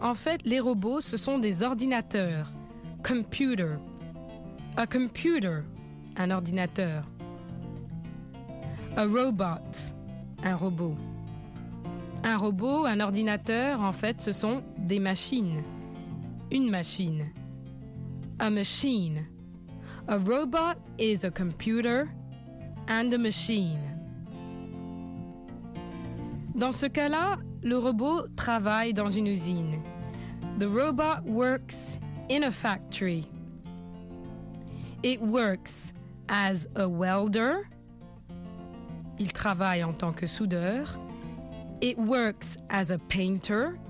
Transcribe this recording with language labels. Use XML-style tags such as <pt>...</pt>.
<fr>En fait, les robots, ce sont des ordinateurs. Computer.</fr> <en>A computer,</en> <fr>un ordinateur.</fr> <en>A robot, un robot.</en> <fr>Un robot, un ordinateur, en fait, ce sont des machines. Une machine.</fr> <en>A machine. A robot is a computer and a machine.</en> <fr>Dans ce cas-là, le robot travaille dans une usine.</fr> <en>The robot works in a factory. It works as a welder.</en> <fr>Il travaille en tant que soudeur.</fr> <en>It works as a painter.</en>